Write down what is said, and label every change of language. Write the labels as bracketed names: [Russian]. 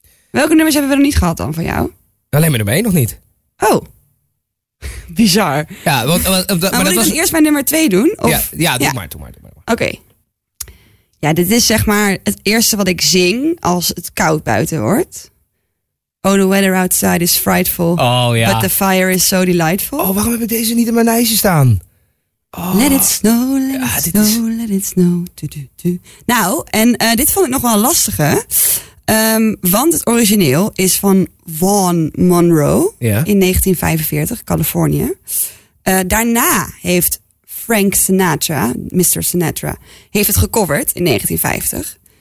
[Dutch] Welke nummers hebben we nog niet gehad dan van jou? Alleen maar nummer 1 nog niet. Oh, bizar. Ja, wil ik eerst mijn nummer 2 doen? Of? Ja, ja, doe ja. Maar, doe maar. Oké. Ja, dit is zeg maar het eerste wat ik zing als het koud buiten wordt. [English] Oh, the weather outside is frightful. [Dutch] Oh ja. [English] But the fire is so delightful. [Dutch] Oh, waarom heb ik deze niet in mijn lijstje staan? Oh. [English] Let it snow, let it snow, let it snow. [Dutch] Nou, en dit vond ik nog wel lastig, hè? Want het origineel is van Vaughn Monroe in 1945, Californië. Daarna heeft Frank Sinatra, Mr. Sinatra, heeft het gecoverd in 1950.